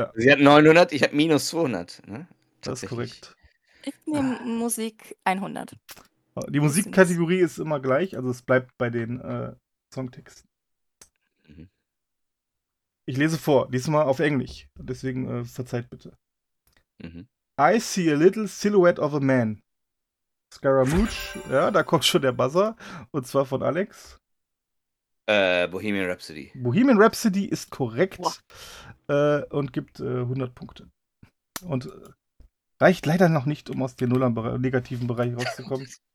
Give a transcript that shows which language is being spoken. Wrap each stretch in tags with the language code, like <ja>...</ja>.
<de>Sie hat 900, ich habe minus 200. Ne? Das ist korrekt. Ich nehme Musik 100. Die Musikkategorie ist immer gleich, also es bleibt bei den Songtexten. Ich lese vor, diesmal auf Englisch, deswegen verzeiht bitte.</de> <en>I see a little silhouette of a man.</en> <de>Scaramouche, ja, da kommt schon der Buzzer. Und zwar von Alex. Bohemian Rhapsody. Bohemian Rhapsody ist korrekt. Und gibt 100 Punkte. Und reicht leider noch nicht, um aus dem negativen Bereich rauszukommen.</de>